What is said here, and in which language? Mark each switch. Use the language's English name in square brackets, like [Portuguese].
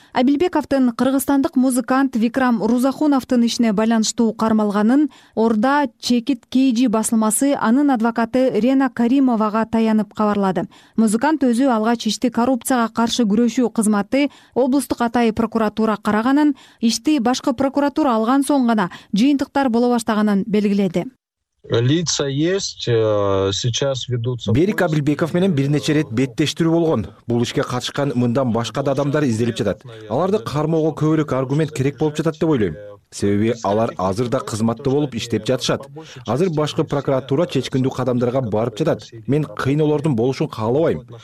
[Kyrgyz] Абилбековдун кыргызстандык музыкант Викрам Рузахуновдун ишине байланыштуу кармалганын Орда Чекит Кейжи басылмасы анын адвокаты Рена Каримовага таянып кабарлады. Музыкант өзү алгач ишти коррупцияга каршы күрөшүү кызматы облустук атайы прокуратура караганын, ишти башкы прокуратура алган соң гана жыйынтыктар боло баштаганын белгиледи. [Russian] Лица есть, сейчас ведутся. [Kyrgyz] Берик Абилбеков менен бир нече рет беттештирүү болгон. Бул ишке катышкан мындан башка да адамдар изделип жатат. Аларды кармоого көбүрөөк аргумент керек болуп жатат деп ойлойм. Себеби алар азыр да кызматта болуп иштеп жатышат. Азыр башкы прокуратура чечкиндүү кадамдарга барып жатат. Мен кыйноолордун болушун каалабайм.